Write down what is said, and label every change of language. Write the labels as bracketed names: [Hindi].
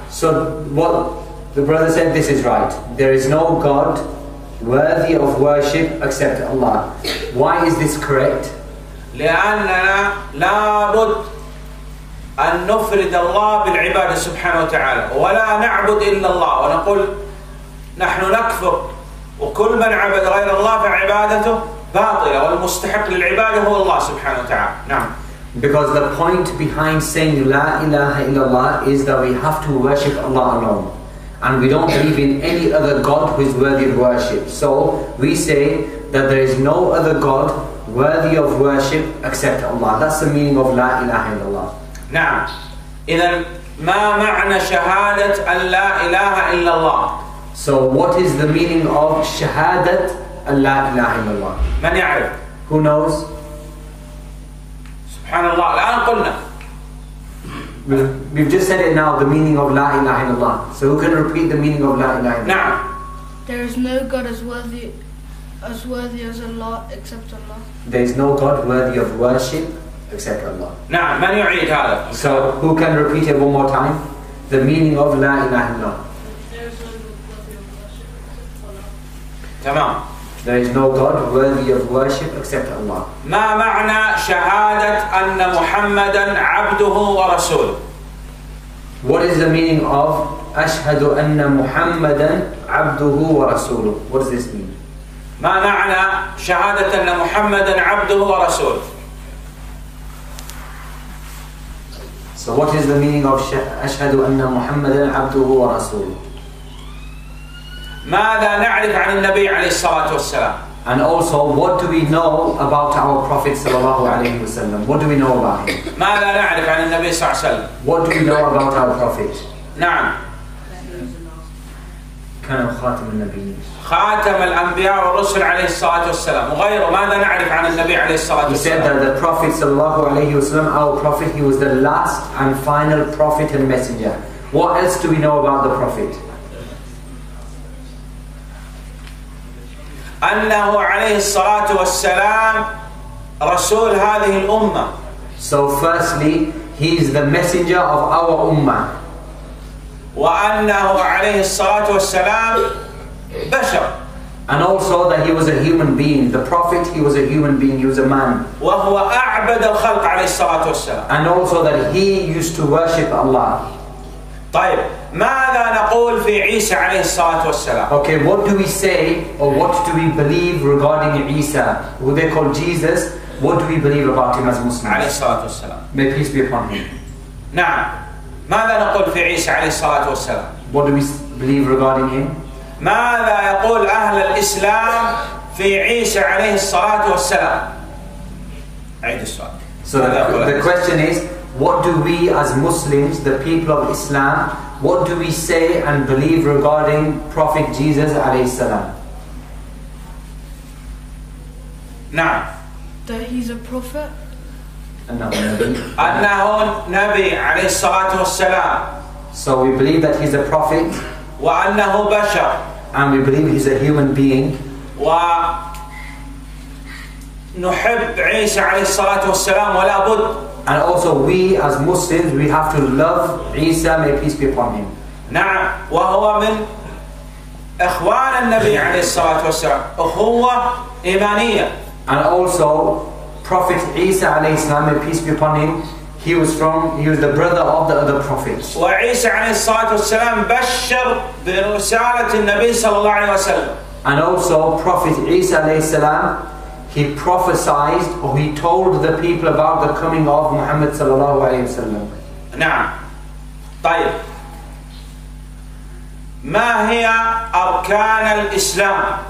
[English] So what the brother said, this is right. There is no God worthy of worship except Allah. Why is this correct? [Arabic] لأننا لابد أن نفرد الله بالعبادة سبحانه وتعالى ولا نعبد إلا الله ونقول نحن نكفر وكل من عبد غير الله فعبادته باطلة والمستحق للعبادة هو الله سبحانه وتعالى. نعم. [English] Because the point behind saying [Arabic] لا إله إلا الله [English] is that we have to worship Allah alone. And we don't believe in any other God who is worthy of worship. So we say that there is no other God worthy of worship except Allah. That's the meaning of [Arabic] لا إله إلا الله. نعم. إذا ما معنى شهادة أن لا إله إلا الله? [English] So what is the meaning of [Arabic] شهادة أن لا إله إلا الله? من يعرف? [English] Who knows? [Arabic] سبحان الله. الآن قلنا. [English] We've just said it now, the meaning of [Arabic] لا إله إلا الله. [English] So who can repeat the meaning of لا إله إلا الله? [Arabic] نعم. [English] There is no God as worthy as Allah except Allah. There is no God worthy of worship except Allah. [Arabic] نعم من يعيد هذا؟ [English] So who can repeat it one more time? The meaning of [Arabic] لا إله إلا الله. تمام. [English] There is no God worthy of worship except Allah. [Arabic] ما معنى شهادة أن محمدا عبده ورسول؟ [English] What is the meaning of [Arabic] أشهد أن محمدا عبده ورسوله؟ [English] What does this mean? [Arabic] ما معنى شهادة أن محمدا عبده ورسول؟ [English] So what is the meaning of [Arabic] أشهد أن محمدا عبده ورسوله؟ ماذا نعرف عن النبي عليه الصلاة والسلام؟ [English] And also, what do we know about our Prophet [Arabic] صلى الله عليه وسلم? [English] What do we know about him? [Arabic] ماذا نعرف عن النبي صلى الله عليه وسلم? [English] What do we know about our Prophet? [Arabic] نعم. كان خاتم النبيين. خاتم الأنبياء والرسل عليه الصلاة والسلام. وغيره ماذا نعرف عن النبي عليه الصلاة والسلام? [English] He said that the Prophet [Arabic] صلى الله عليه وسلم, [English] our Prophet, he was the last and final Prophet and Messenger. What else do we know about the Prophet? [Arabic] أنه عليه الصلاة والسلام رسول هذه الأمة. [English] So firstly, he is the messenger of our ummah. [Arabic] وأنه عليه الصلاة والسلام بشر. [English] And also that he was a human being. The prophet, he was a human being. He was a man. [Arabic] وهو أعبد الخلق عليه الصلاة والسلام. [English] And also that he used to worship Allah. [Arabic] طيب ماذا نقول في عيسى عليه الصلاة والسلام؟ [English] Okay, what do we say or what do we believe regarding Isa, who they call Jesus? What do we believe about him as Muslims? [Arabic] عليه الصلاة والسلام. [English] May peace be upon him. [Arabic] نعم. ماذا نقول في عيسى عليه الصلاة والسلام؟ [English] What do we believe regarding him? [Arabic] ماذا يقول أهل الإسلام في عيسى عليه الصلاة والسلام؟ عيد السؤال. [English] So the question is, what do we as Muslims, the people of Islam, what do we say and believe regarding Prophet Jesus [Arabic] عليه السلام? نعم. [English] That he's a prophet. [Arabic] أنه نبي عليه الصلاة والسلام. [English] So we believe that he's a prophet. [Arabic] وأنه بشر. [English] And we believe he's a human being. [Arabic] ونحب عيسى عليه الصلاة والسلام ولا بد. [English] And also we as Muslims, we have to love Isa, may peace be upon him. [Arabic] نعم وهو من إخوان النبي عليه الصلاة والسلام. أخوة إيمانية. [English] And also Prophet Isa [Arabic] عليه السلام, [English] may peace be upon him, he was the brother of the other prophets. [Arabic] وعيسى عليه الصلاة والسلام بشر برسالة النبي صلى الله عليه وسلم. [English] And also Prophet Isa [Arabic] عليه السلام, [English] he prophesied or he told the people about the coming of Muhammad sallallahu alaihi wasallam. [Arabic] نعم. طيب. ما هي أركان الإسلام?